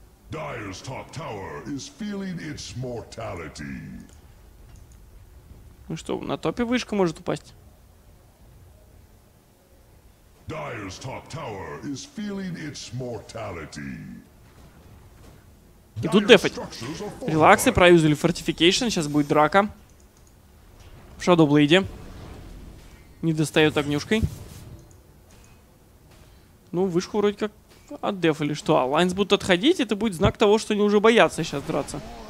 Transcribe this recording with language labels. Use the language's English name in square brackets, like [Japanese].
[English] Dire's top tower is feeling its mortality. [Russian] Ну что, на топе вышка может упасть. [English] Dire's top tower is feeling its mortality. [Russian] И тут дефать. Релаксы, проюзали фортификейшн, сейчас будет драка. В Shadowblade. Не достает огнюшкой. Ну, вышку вроде как отдефали. Что, а Лайнс будут отходить? Это будет знак того, что они уже боятся сейчас драться.